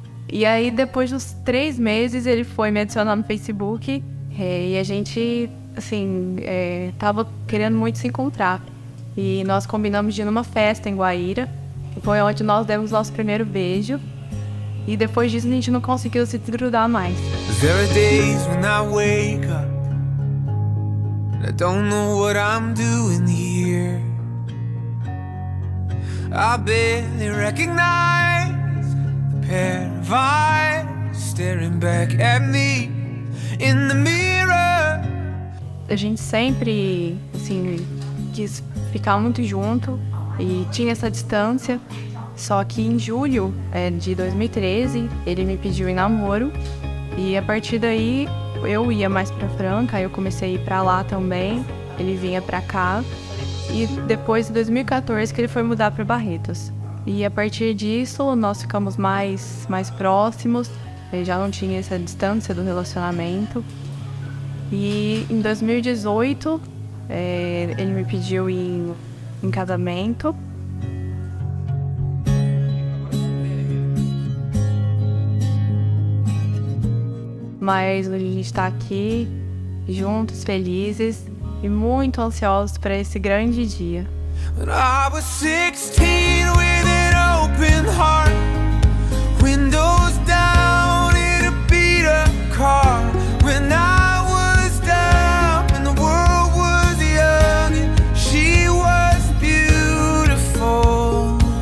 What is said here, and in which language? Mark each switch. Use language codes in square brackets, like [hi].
[pt] E aí, depois dos 3 meses, ele foi me adicionar no Facebook e a gente, assim, tava querendo muito se encontrar. E nós combinamos de ir numa festa em Guaíra. Foi onde nós demos nosso primeiro beijo. E depois disso, a gente não conseguiu se desgrudar mais. [en] There are days when I wake up, and I don't know what I'm doing here. I barely recognize the pair of eyes staring back at me in the mirror. [pt] A gente sempre, assim, quis ficar muito junto e tinha essa distância. Só que em julho de 2013, ele me pediu em namoro. E a partir daí, eu ia mais pra Franca, eu comecei a ir pra lá também. Ele vinha pra cá. E depois, em 2014, que ele foi mudar pra Barretos. E a partir disso, nós ficamos mais próximos. Ele já não tinha essa distância do relacionamento. E em 2018, ele me pediu em casamento. Mas hoje a gente está aqui, juntos, felizes e muito ansiosos para esse grande dia. [en] When I was 16 with an open heart, windows down in a beat up car. When I was down and the world was young and she was beautiful.